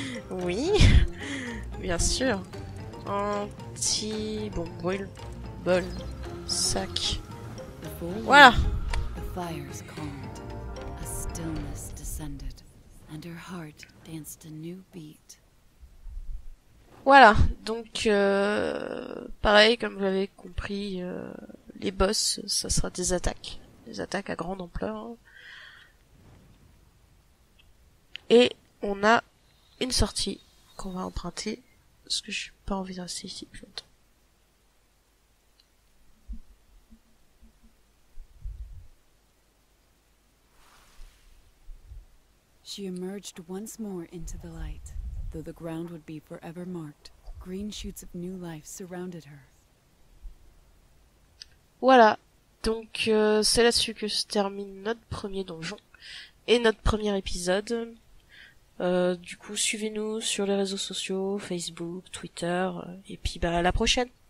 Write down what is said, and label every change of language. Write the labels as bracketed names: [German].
[French] Oui, bien sûr. Anti, bon, brûle, bol, sac. Voilà. [English] The fires calmed. A stillness descended, and her heart danced a new beat. [French] Voilà. Donc, pareil, comme vous l'avez compris, les boss, ça sera des attaques, à grande ampleur. Et on a une sortie qu'on va emprunter, parce que je n'ai pas envie de rester ici plus longtemps. [English] She emerged once more into the light, though the ground would be forever marked. Green shoots of new life surrounded her. [French] Voilà, donc c'est là-dessus que se termine notre premier donjon et notre premier épisode. Du coup, suivez-nous sur les réseaux sociaux, Facebook, Twitter, et puis bah, à la prochaine.